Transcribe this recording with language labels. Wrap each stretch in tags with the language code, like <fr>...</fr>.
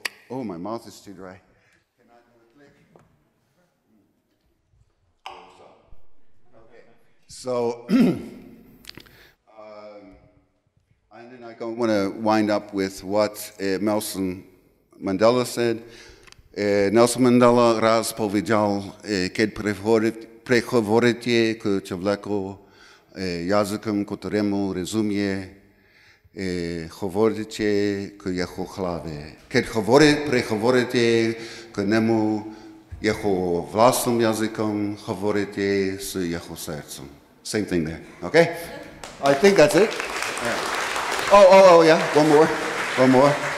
<en>Oh, my mouth is too dry. So, and then I want to wind up with what Nelson Mandela said.</en> <sk>Nelson Mandela raz povedal, keď prehovoríte k človeku jazykom, ktorému rozumie, hovoríte k jeho hlave. Keď prehovoríte k nemu jeho vlastným jazykom, hovoríte s jeho srdcom.</sk> <en>Same thing there, okay? I think that's it. Yeah, one more.</en>